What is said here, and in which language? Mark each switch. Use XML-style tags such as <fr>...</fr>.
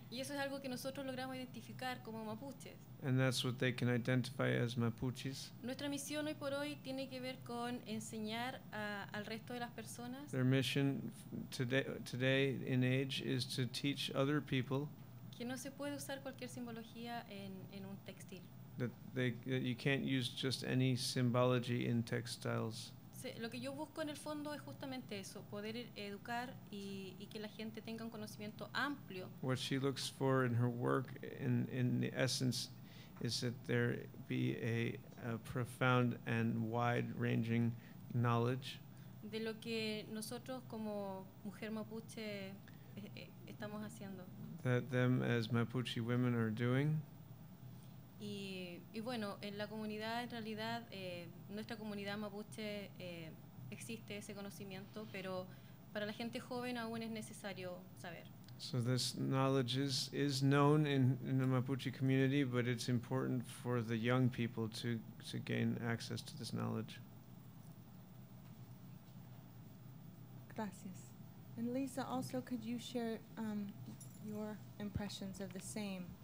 <es>Y eso es algo que nosotros logramos identificar como Mapuches.</es> <en>And that's what they can identify as Mapuches.</en> <es>Nuestra misión hoy por hoy tiene que ver con enseñar al resto de las personas.</es> <en>Their mission today in age is to teach other people.</en> <es>Que no se puede usar cualquier simbología en un textil.</es> <en>That you can't use just any symbology in textiles.</en> <es>Lo que yo busco en el fondo es justamente eso, poder educar y que la gente tenga un conocimiento amplio.</es> <en>What she looks for in her work, in the essence, is that there be a profound and wide-ranging knowledge.</en> <es>De lo que nosotros como mujer mapuche estamos haciendo.</es> <en>That them as Mapuche women are doing.</en> <es>Y bueno, en la comunidad, en realidad, nuestra comunidad mapuche existe ese conocimiento, pero para la gente joven aún es necesario saber.</es> <en>So this knowledge is known in the Mapuche community, but it's important for the young people to gain access to this knowledge.</en> <es>Gracias.</es> <en>And Lisa, also, could you share your impressions of the same?</en>